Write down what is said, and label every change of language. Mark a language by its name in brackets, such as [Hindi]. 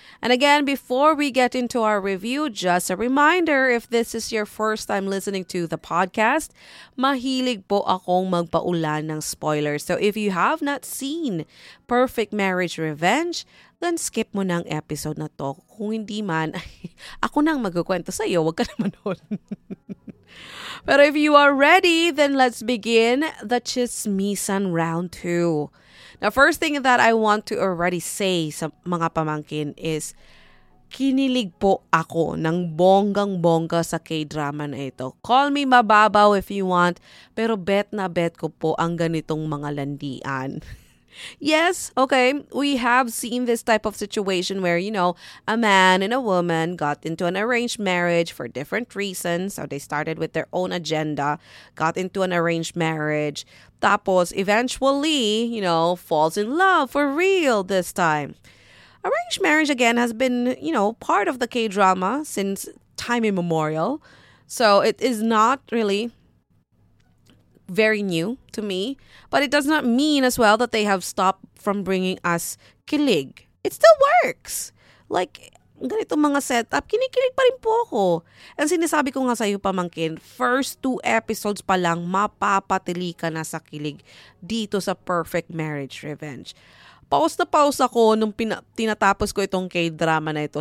[English] And again, before we get into our review, just a reminder, if this is your first time listening to the podcast, [Filipino] mahilig po akong magpaulan ng spoilers. [English] So if you have not seen Perfect Marriage Revenge, then [Filipino] skip mo ng episode na to. Kung hindi man, ako nang magkukwento sa iyo, wag ka naman nun. [English] But if you are ready, then let's begin the Chismisan Round 2. Now, first thing that I want to already say [Filipino] sa mga pamangkin is kinilig po ako ng bonggang-bongga sa K-drama na ito. [English] Call me [Filipino] mababaw [English] if you want, [Filipino] pero bet na bet ko po ang ganitong mga landian. [English] Yes, okay, we have seen this type of situation where, you know, a man and a woman got into an arranged marriage for different reasons. So they started with their own agenda, got into an arranged marriage. Tapos, eventually, you know, falls in love for real this time. Arranged marriage, again, has been, you know, part of the K-drama since time immemorial. So it is not really very new to me, but it does not mean as well that they have stopped from bringing us kilig. It still works. [Filipino] Like, ganito mga setup, kinikilig pa rin po ako. And sinasabi ko nga sa iyo pamangkin, [English] first two episodes [Filipino] pa lang, mapapatili ka na sa kilig dito sa Perfect Marriage Revenge. Pause na pause ako nung tinatapos ko itong K-drama na ito.